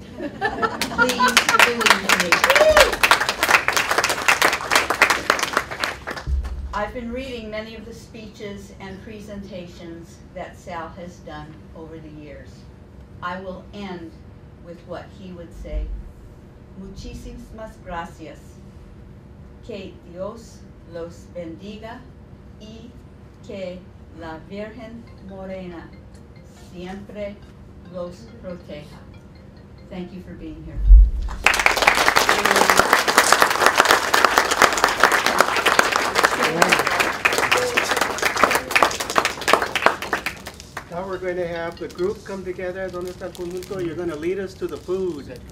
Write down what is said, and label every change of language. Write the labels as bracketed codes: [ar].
[en] Please believe me. I've been reading many of the speeches and presentations that Sal has done over the years. I will end with what he would say. [es] Muchísimas gracias. Que Dios los bendiga y que la Virgen Morena siempre los proteja. [en] Thank you for being here. We're going to have the group come together. [es] ¿Dónde está el conjunto? [en] You're going to lead us to the food.